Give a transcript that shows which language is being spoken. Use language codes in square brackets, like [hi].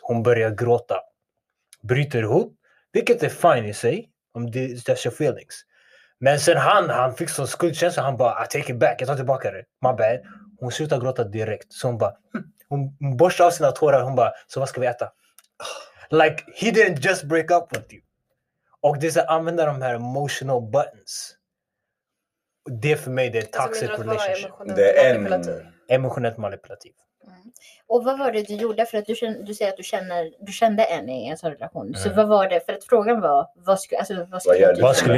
[sv] Hon börjar gråta, bryter ihop, vilket är fine i sig. Om [en] that's your feelings. [sv] Men sen han fick sån skuldkänsla. Han bara, [en] I take it back. [sv] Jag tar tillbaka det. [en] My bad. [sv] Hon slutar gråta direkt. Så hon bara, hon borstar av sina tårar. Hon bara, så vad ska vi äta? [en] Like, he didn't just break up with you. [sv] Och det är så att använda de här [en] emotional buttons. [sv] Det för mig, det är [en] toxic relationship. [sv] Det är en emotionellt manipulativ. Mm. Och vad var det du gjorde för att du säger att du kände en i en sån relation. Så vad var det, för att frågan var vad skulle